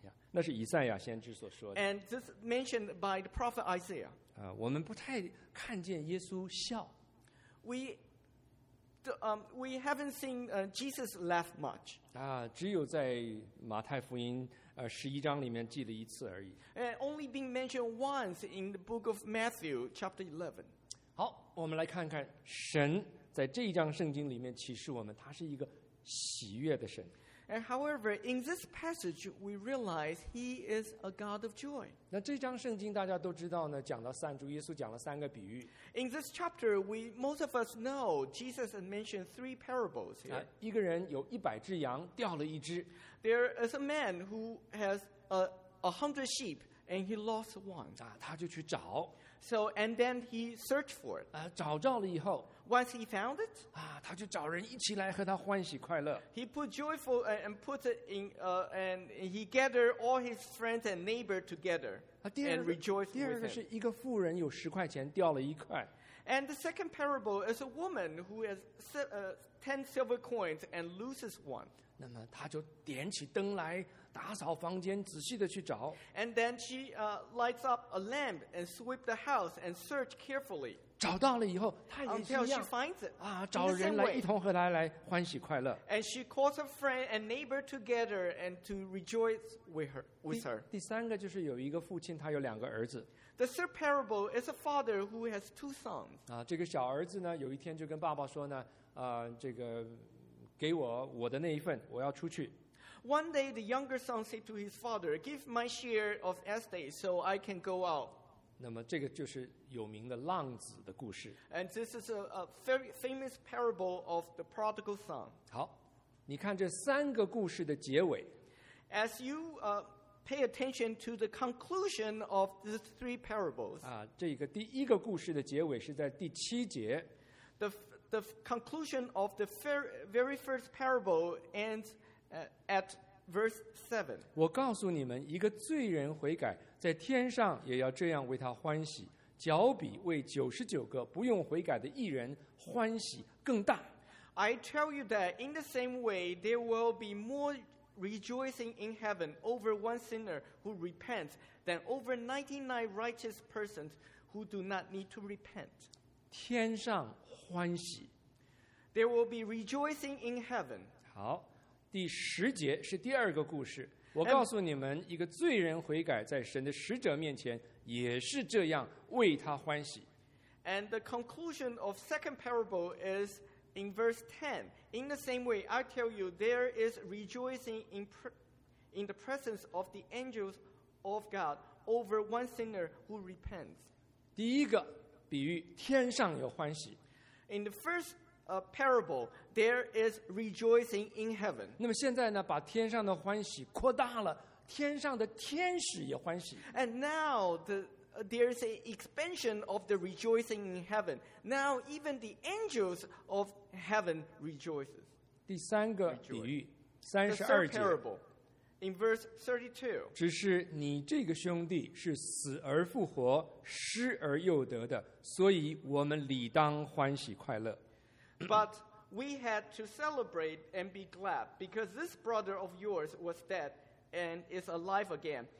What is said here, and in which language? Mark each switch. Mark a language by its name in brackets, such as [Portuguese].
[Chinese] 那是以赛亚先知所说的。 [English] And this mentioned by the prophet Isaiah. [Chinese] 我们不太看见耶稣笑。 [English] We haven't seen Jesus laugh much. [Chinese] 只有在马太福音十一章里面记了一次而已。 [English] And only been mentioned once in the book of Matthew, chapter 11. [Chinese] 好，我们来看看神在这一章圣经里面启示我们，他是一个喜悦的神。 [English] And however, in this passage, we realize he is a God of joy. [Chinese] 那这章圣经大家都知道呢，讲到三，主耶稣讲了三个比喻。 [English] In this chapter, most of us know Jesus had mentioned three parables here. [Chinese] 一个人有一百只羊，掉了一只。 [English] There is a man who has a hundred sheep, and he lost one. [Chinese] 他就去找。 [English] So, and then he searched for it. [Chinese] 找着了以后。 [English] Once he found it, [Chinese] 他就找人一起来和他欢喜快乐。 [English] He put joyful and put it in, and he gathered all his friends and neighbor together and rejoiced with him. [Chinese] 第二个是一个富人有十块钱掉了一块。 [English] And the second parable is a woman who has ten silver coins and loses one. [Chinese] 那么他就点起灯来打扫房间，仔细的去找。 [English] And then she lights up a lamp and sweep the house and search carefully. [Chinese] 找到了以后，他也是一样啊，找人来一同和他来欢喜快乐。 [English] And she calls a friend and neighbor together and to rejoice with her. [Chinese] 第三个就是有一个父亲，他有两个儿子。 [English] The third parable is a father who has two sons. [Chinese] 这个小儿子呢，有一天就跟爸爸说呢，这个给我的那一份，我要出去。 [English] One day, the younger son said to his father, "Give my share of estate so I can go out." [Chinese] 那么这个就是有名的浪子的故事。 [English] And this is a very famous parable of the prodigal son. [Chinese] 好，你看这三个故事的结尾。 [English] As you pay attention to the conclusion of these three parables. [Chinese] 这个第一个故事的结尾是在第七节。 [English] The conclusion of the very first parable ends at verse 7. [Chinese] 我告诉你们，一个罪人悔改。在天上也要这样为他欢喜，脚比为九十九个不用悔改的义人欢喜更大。 [English] I tell you that in the same way, there will be more rejoicing in heaven over one sinner who repents than over 99 righteous persons who do not need to repent. [Chinese] 天上欢喜。 [English] There will be rejoicing in heaven. [Chinese] 好，第十节是第二个故事。我告诉你们，一个罪人悔改在神的使者面前也是这样，为他欢喜。 [English] And the conclusion of second parable is in verse 10. In the same way, I tell you, there is rejoicing in the presence of the angels of God over one sinner who repents. [Chinese] 第一个比喻，天上有欢喜。 [English] In the first parable, there is rejoicing in heaven. [Chinese] 那么现在呢，把天上的欢喜扩大了，天上的天使也欢喜。 [English] And now there is an expansion of the rejoicing in heaven. Now even the angels of heaven rejoices. [Chinese] 第三个比喻，三十二节。 [English] In verse 32, [Chinese] 只是你这个兄弟是死而复活，失而又得的，所以我们理当欢喜快乐。 [English] But we had to celebrate and be glad because this brother of yours was dead and is alive again.